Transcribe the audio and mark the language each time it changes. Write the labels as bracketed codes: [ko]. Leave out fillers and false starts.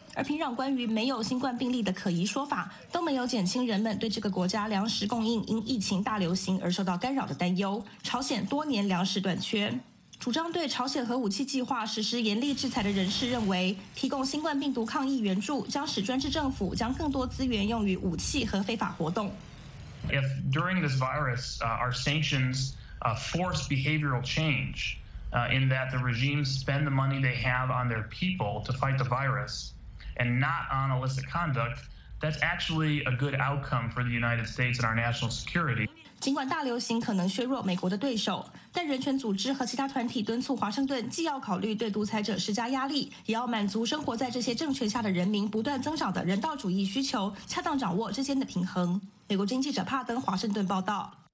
[zh] 而平壤关于没有新冠病例的可疑说法，都没有减轻人们对这个国家粮食供应因疫情大流行而受到干扰的担忧。朝鲜多年粮食短缺。主张对朝鲜核武器计划实施严厉制裁的人士认为，提供新冠病毒抗疫援助将使专制政府将更多资源用于武器和非法活动。 [en] If during this virus, our sanctions, force behavioral change, in that the regimes spend the money they have on their people to fight the virus, and not on illicit conduct, that's actually a good outcome for the United States and our national security. [zh] 尽管大流行可能削弱美国的对手，但人权组织和其他团体敦促华盛顿既要考虑对独裁者施加压力，也要满足生活在这些政权下的人民不断增长的人道主义需求，恰当掌握之间的平衡。美国经济记者帕登华盛顿报道。